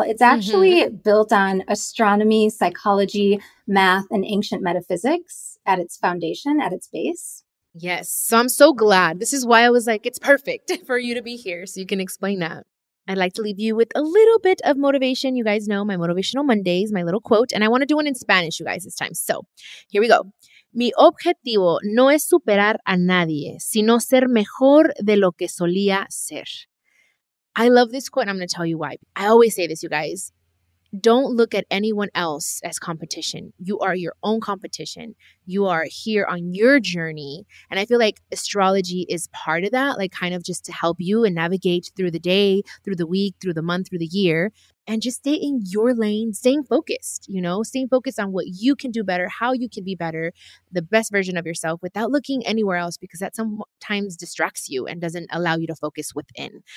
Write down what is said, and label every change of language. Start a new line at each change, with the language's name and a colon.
English: It's actually built on astronomy, psychology, math, and ancient metaphysics at its foundation, at its base. Yes. So I'm so glad. This is why I was like, it's perfect for you to be here so you can explain that. I'd like to leave you with a little bit of motivation. You guys know my Motivational Mondays, my little quote, and I want to do one in Spanish, you guys, this time. So here we go.
Spanish: Mi objetivo no es superar a nadie, sino ser mejor de lo que solía ser.
English: I love this quote, and I'm going to tell you why. I always say this, you guys. Don't look at anyone else as competition. You are your own competition. You are here on your journey. And I feel like astrology is part of that, like kind of just to help you and navigate through the day, through the week, through the month, through the year, and just stay in your lane, staying focused, you know, staying focused on what you can do better, how you can be better, the best version of yourself without looking anywhere else, because that sometimes distracts you and doesn't allow you to focus within.